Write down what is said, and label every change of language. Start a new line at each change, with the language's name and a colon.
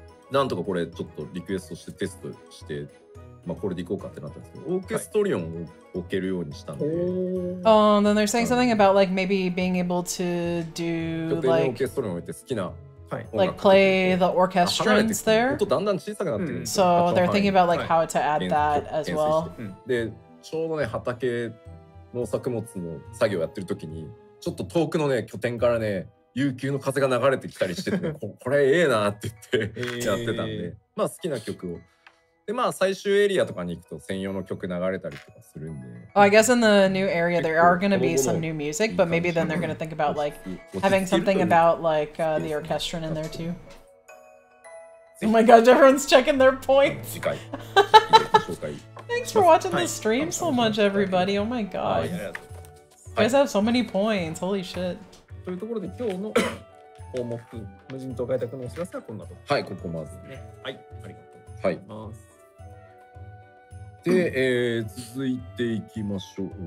Japanese: なんとかこれちょっとリクエストしてテストして、まあ、これでいこうかってなったんですけどオーケストリオンを置けるようにしたので、
English: はい、Oh, then they're saying something about like maybe being able to do like
Japanese: オーケストリオンを置いて好きな、
English: はい、like play the orchestrants there
Japanese: とだんだん小さくなってる、うん、
English: So they're thinking about like how to add that as well、
Japanese: うん、でちょうどね畑農作物の作業をやってる時にちょっと遠くのね拠点からね悠久の風が流れてきたりして、ね、これええなって言ってやってたんで、まあ好きな曲を。で、まあ最終エリアとかに行くと専用の曲流れたりとかするんで。
English: Oh, I guess in the new area there are going to be some new music, but maybe then they're going to think about like having something about like、the orchestra in there too. Oh my gosh, everyone's checking their points.
Japanese: 次回。
English: Thanks for watching the stream so much, everybody. Oh my god. You guys have so many points. Holy shit.
Japanese: というところで今日の項目無人島開拓のお知らせはこんなところです、ね、はいここまずねはいありがとうございます、はい、で、続いていきましょう